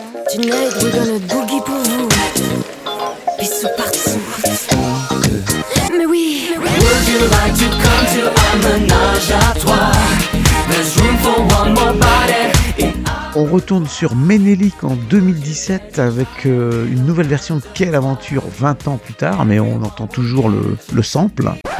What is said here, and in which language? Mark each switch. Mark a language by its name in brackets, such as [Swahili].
[English] Tonight we're gonna boogie [French] pour vous. Bisous partout. [English] Would you like to come to our ménage à trois? There's room for one more body. [French] On retourne sur Ménélik en 2017 avec une nouvelle version de Quelle aventure 20 ans plus tard, mais on entend toujours le sample.